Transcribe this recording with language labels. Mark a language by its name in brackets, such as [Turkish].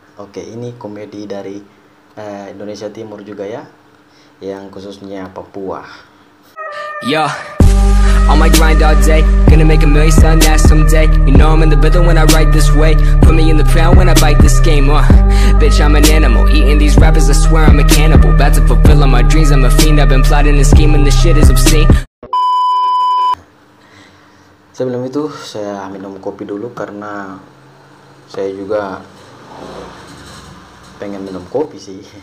[Indonesian] Oke, ini komedi dari Indonesia Timur juga ya, yang khususnya Papua. [English] Yo, on my grind all day, gonna make a million sun that someday. You know I'm in the building when I write this way. Put me in the pound when I bite this game, Bitch, I'm an animal, eating these rappers, I swear I'm a cannibal. About to fulfill all my dreams, I'm a fiend. I've been plotting and scheming, this shit is obscene. [Indonesian] Sebelum itu, saya minum kopi dulu karena saya juga pengen minum kopi sih.